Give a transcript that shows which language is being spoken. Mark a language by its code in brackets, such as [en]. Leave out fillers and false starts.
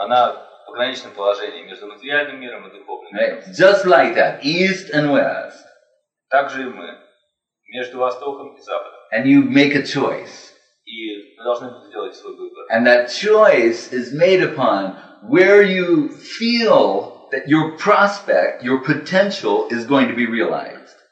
[ru] Она в пограничном положении между материальным миром и духовным миром. [en] Right? Just like that, East and West. [ru] Так же и мы, между Востоком и Западом. [en] And you make a choice. [ru] И мы должны сделать свой выбор. [en] And that choice is made upon where you feel that your prospect, your potential is going to be realized.